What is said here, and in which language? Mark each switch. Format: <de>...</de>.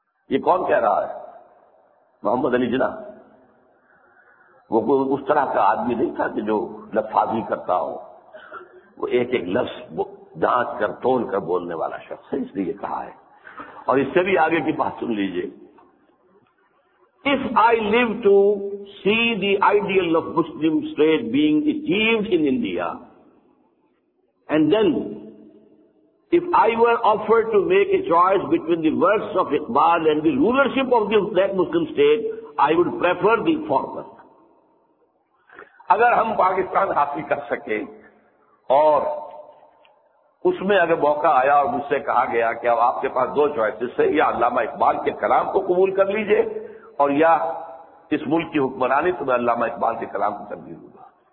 <ur>یہ کون کہہ رہا ہے؟ محمد علی جناح. وہ کوئی اس طرح کا آدمی نہیں تھا کہ جو لفاظی کرتا ہو, وہ ایک ایک لفظ جانچ کر تول کر بولنے والا شخص ہے, اس لیے کہا ہے. اور اس سے بھی آگے کی بات سن لیجئے.</ur> <en>If I live to see the ideal of Muslim state being achieved in India, and then if I were offered to make a choice between the works of Iqbal and the rulership of that Muslim state, I would prefer the former.</en> <ur>اگر ہم پاکستان حاصل کر سکے اور اس میں اگر موقع آیا اور مجھ سے کہا گیا کہ اب آپ کے پاس دو چوائسز ہیں, یا علامہ اقبال کے کلام کو قبول کر لیجئے اور یا اس ملک کی حکمرانی تو میں علامہ اقبال کے کلام کو تبدیل ہوں گا.</ur>